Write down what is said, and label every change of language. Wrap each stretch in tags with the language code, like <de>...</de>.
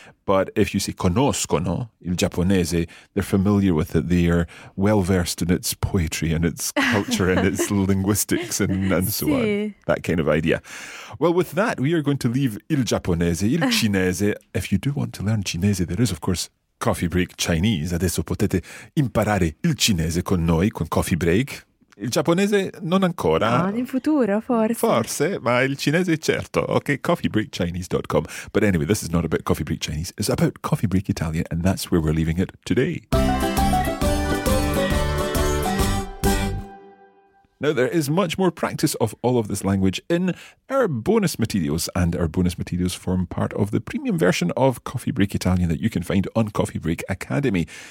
<en>But if you say conoscono il giapponese, they're familiar with it. They are well-versed in its poetry and its culture and its linguistics and so on. That kind of idea. Well, with that, we are going to leave</en> <it>il giapponese, il cinese.</it> <en>If you do want to learn cinese, there is, of course, Coffee Break Chinese.</en> <it>Adesso potete imparare il cinese con noi, con Coffee Break. Il giapponese non ancora. No, in futuro, forse. Forse, ma il cinese certo.</it> <en>Okay, coffeebreakchinese.com. But anyway, this is not about Coffee Break Chinese. It's about Coffee Break Italian, and that's where we're leaving it today. Now, there is much more practice of all of this language in our bonus materials, and our bonus materials form part of the premium version of Coffee Break Italian that you can find on Coffee Break Academy.</en>